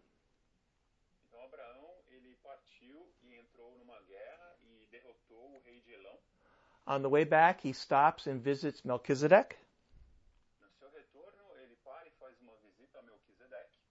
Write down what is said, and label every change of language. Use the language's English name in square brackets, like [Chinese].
[Portuguese] Então, Abraão, ele partiu e entrou numa guerra e derrotou o rei de Elam. [English] On the way back, he stops and visits Melquisedec. [Portuguese] No seu retorno, ele para e faz uma visita a Melquisedec.